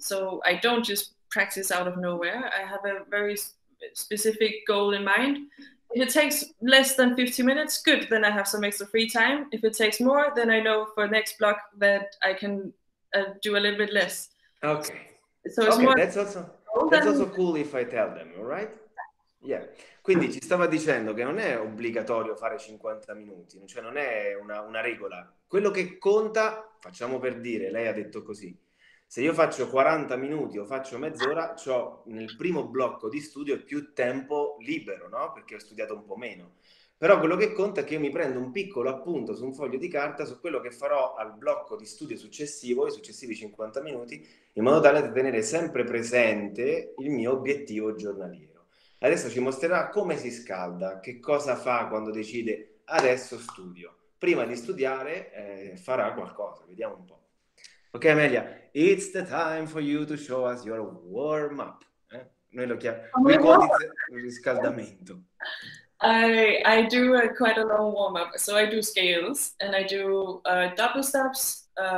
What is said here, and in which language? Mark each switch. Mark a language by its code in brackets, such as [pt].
[en] So I don't just practice out of nowhere. I have a very specific goal in mind. If it takes less than 50 minutes, good, then I have some extra free time. If it takes more, then I know for next block that I can do a little bit less. Okay. So it's okay, more that's also cool if I tell them, all right? Yeah. [it] Quindi ci stava dicendo che non è obbligatorio fare 50 minuti, cioè non è una regola. Quello che conta, facciamo per dire, lei ha detto così, se io faccio 40 minuti o faccio mezz'ora, c'ho nel primo blocco di studio più tempo libero, no? Perché ho studiato un po' meno. Però quello che conta è che io mi prendo un piccolo appunto su un foglio di carta su quello che farò al blocco di studio successivo, i successivi 50 minuti, in modo tale da tenere sempre presente il mio obiettivo giornaliero. Adesso ci mostrerà come si scalda, che cosa fa quando decide adesso studio. Prima di studiare farà qualcosa, vediamo un po'. [en] Ok Amelia, it's the time for you to show us your warm up. [it] Noi lo chiamiamo riscaldamento. [en] I do quite a long warm up, so I do scales and I do double steps,